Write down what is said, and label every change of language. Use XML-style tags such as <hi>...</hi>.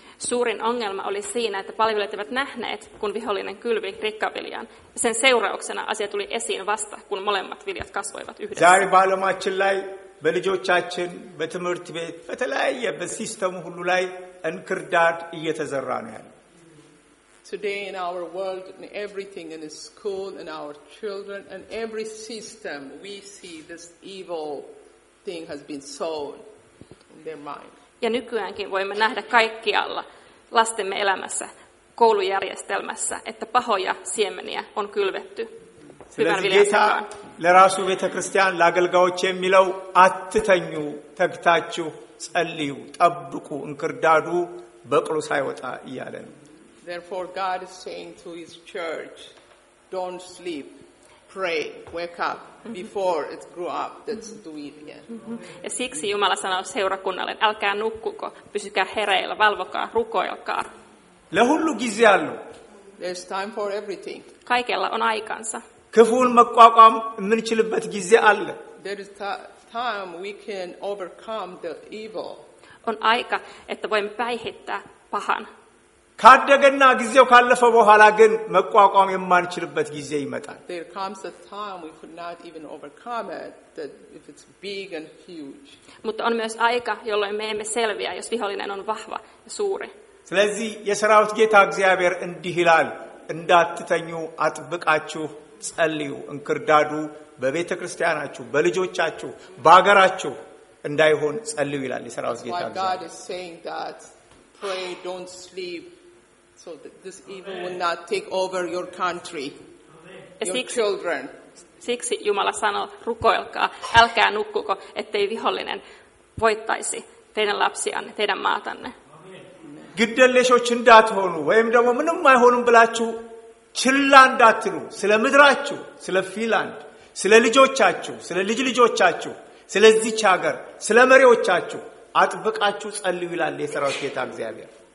<fi>Suurin ongelma oli siinä että palvelijat eivät nähneet kun vihollinen kylvi rikkaviljan sen seurauksena asia tuli esiin vasta kun molemmat viljat kasvoivat yhdessä</fi> <am>ዛሬ ባለማችን ላይ በልጆቻችን በትምህርት ቤት በተለያየ በሲስተሙ ሁሉ ላይ እንክርዳድ እየተዘራ ነው ያለው</am> <en>Today in our world in everything in school in our children and every system we see this evil thing has been sown in their mind</en> <fi>Ja nykyäänkin voimme nähdä kaikkialla lastemme elämässä koulujärjestelmässä että pahoja siemeniä on kylvetty</fi> <am>ስለዚህ ለራሱ ቤተክርስቲያን ላገልጋዮች የሚለው አትተኙ ተግታችሁ ጸልዩ ጠብቁ እንክርዳዱ በቅሎ ሳይወጣ ይያለ ነው</am> <en>Therefore God is saying to his church don't sleep pray wake up before it grow up that's to eat again</en> <fi>Ja siksi Jumala sanoo seurakunnalle älkää nukkuko pysykää hereillä valvokaa rukoilkaa</fi> <am>ለሁሉ ጊዜ አለው</am> <en>There's time for everything</en> <fi>Kaikella on aikansa</fi> <am>ክፉን መቋቋም የምንችልበት ጊዜ አለ</am> <en>There is time we can overcome the evil</en> <fi>on aika että voimme päihittää pahan</fi> <am>ካደገና ጊዜው ካለፈ በኋላ ግን መቋቋም የማንችልበት ጊዜ ይመጣል።</am> <en>There comes a time we could not even overcome it, that if it's big and huge.</en> <fi>Mutta on myös aika, jolloin me emme selviä, jos vihollinen on vahva ja suuri.</fi> <am>ስለዚህ የሰራዊት ጌታ እግዚአብሔር እንዲህ ይላል እንዳትተኙ አጥብቃችሁ ጸልዩ እንክርዳዱ በቤተ ክርስቲያናችሁ በልጆቻችሁ በአገራችሁ እንዳይሆን ጸልዩ ይላል የሰራዊት ጌታ</am> <en>እግዚአብሔር God is saying that pray don't sleep so that this evil will not take over your country your children</en> <fi>siksi Jumala sanoo rukoilkaa älkää nukkuko ettei vihollinen voittaisi teidän lapsianne teidän maatanne</fi> <am>ግደለሾች እንዳትሆኑ ወይም ደግሞ ምንም አይሆንም ብላችሁ ችላ እንዳትሉ ስለ ምድራችሁ ስለ ፊላንድ ስለ ልጆቻችሁ ስለ ልጅ ልጆቻችሁ ስለዚህ ቻገር ስለ መሪዎቻችሁ አጥብቃችሁ ጸልዩ ይላል የሰራዊት ጌታ እግዚአብሔር</am>